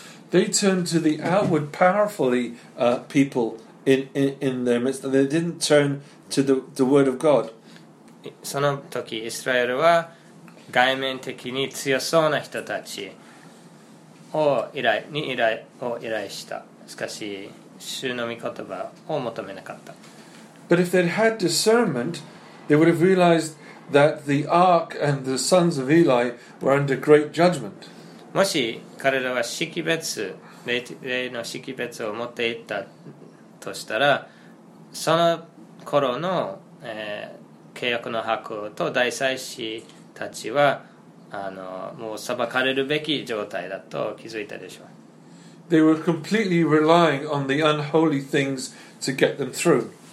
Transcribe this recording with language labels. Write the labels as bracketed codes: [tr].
[en] They turned to the outward powerfully people in their midst. They didn't turn to the word of God. [ja] その時イスラエルは外面的に強そうな人たちを依頼した。しかし主の御言葉を求めなかった。 [en] But if they'd had discernment, they would have realized. That the ark and the sons of Eli were under great judgment. [ja] もし彼らは識別、霊の識別を持っていたとしたら、その頃の、契約の箱と大祭司たちはあのもう裁かれるべき状態だと気づいたでしょう。 [en] They were completely relying on the unholy things to get them through.